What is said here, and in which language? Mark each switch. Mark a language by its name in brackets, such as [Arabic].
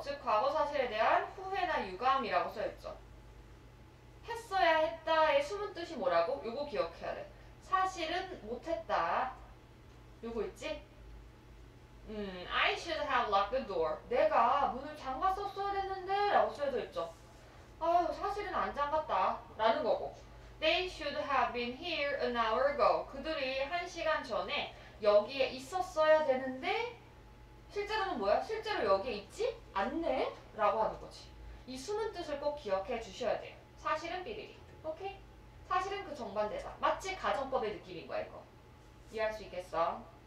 [Korean] 즉, 과거 사실에 대한 후회나 유감이라고 써있죠. 했어야 했다의 숨은 뜻이 뭐라고? 요거 기억해야 돼. 사실은 못했다. 요거 있지? [English] I should have locked the door. [Korean] 내가 문을 잠갔었어야 했는데 라고 써져 있죠. 아유, 사실은 안 잠갔다. 라는 거고. [English] They should have been here an hour ago. [Korean] 그들이 한 시간 전에 여기에 있었어야 되는데, 실제로는 뭐야? 실제로 여기에 있지 않네? 라고 하는 거지. 이 숨은 뜻을 꼭 기억해 주셔야 돼요. 사실은 비리리. 오케이? 사실은 그 정반대다. 마치 가정법의 느낌인 거야, 이거. 이해할 수 있겠어?